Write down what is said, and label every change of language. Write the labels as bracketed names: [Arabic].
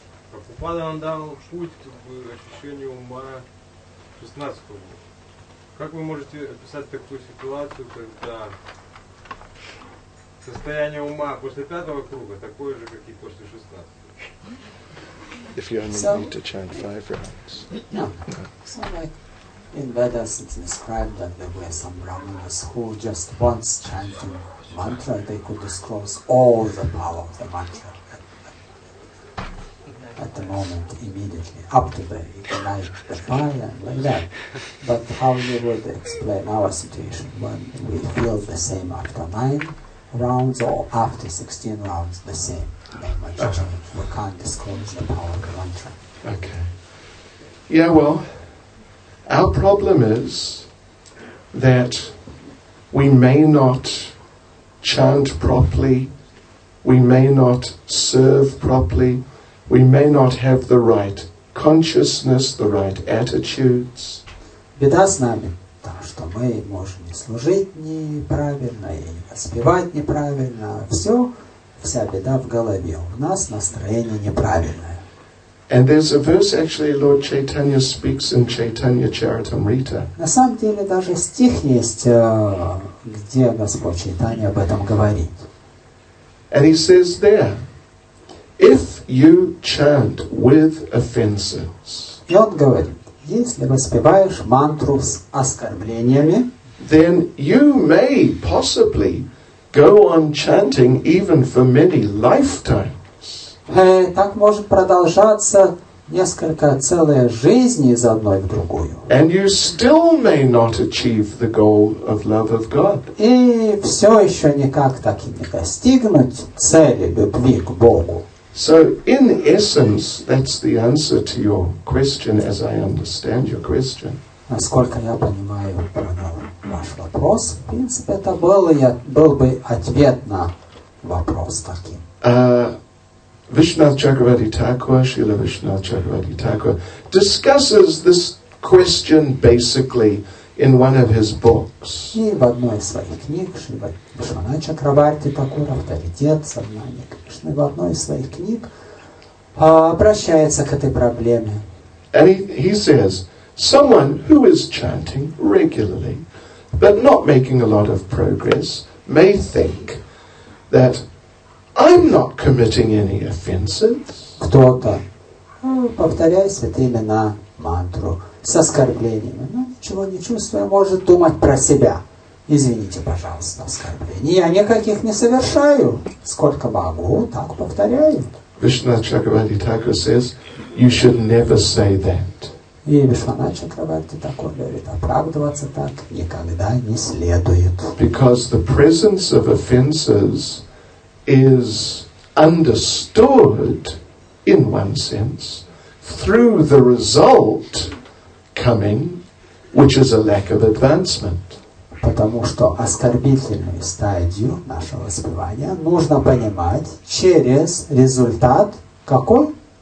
[Russian] Прабхупада нам дал путь к ощущению ума 16-го года. Как вы можете описать такую ситуацию, когда состояние ума после 5-го круга такое же, как и после 16-го? [English] If you only need to chant 5 rounds. No. So like in Vedas it's described that there were some brahmanas who just once chanting mantra, they could disclose all the power of the mantra at the moment, immediately, up to the night, the fire, and like that. But how you would explain our situation when we feel the same after 9, rounds or after 16 rounds, the same. We can't disclose the power of the mantra. Okay. Yeah, well, our problem is that we may not chant properly, we may not serve properly, we may not have the right consciousness, the right attitudes. [Russian] Беда с нами, то, что мы можем служить неправильно и воспевать неправильно. Все, вся беда в голове. У нас настроение неправильное. [English] And there's a verse actually Lord Chaitanya speaks in Chaitanya Charitamrita. [Russian] На самом деле даже стих есть, где Господь Чайтанья об этом говорит. [English] And he says there, if you chant with offenses. [Russian] И он говорит, если воспеваешь мантру с оскорблениями, [English] then you may possibly go on chanting even for many lifetimes. [Russian] Так может продолжаться несколько целой жизни из одной в другую. [English] And you still may not achieve the goal of love of God. [Russian] И все еще никак так и не достигнуть цели любви к Богу. [English] So in essence, that's the answer to your question, as I understand your question. [Russian] Насколько я понимаю ваш вопрос, в принципе, это был бы ответ на вопрос таким. [English] Vishnath Chakravarti Thakur, Srila Vishnath Chakravarti Thakur, discusses this question basically in one of his books. [Russian] И в одной из своих книг Шрила Вишванатха Чакраварти Такур, авторитет сознания Кришны, в одной из своих книг обращается к этой проблеме. [English] And he says, someone who is chanting regularly, but not making a lot of progress, may think that I'm not committing any offenses. [Russian] Кто-то, повторяя святые имена, мантру, с оскорблениями, но ничего не чувствуя, может думать про себя. Извините, пожалуйста, оскорбления. Я никаких не совершаю. Сколько могу, так повторяю. [English] Вишванатха Чакраварти Такур says, you should never say that. [Russian] И Вишванатха Чакраварти Такур говорит, оправдываться так никогда не следует. [English] Because the presence of offenses is understood in one sense through the result coming, which is a lack of advancement. [Russian] Потому что оскорбительную стадию нашего воспевания нужно понимать через результат какой?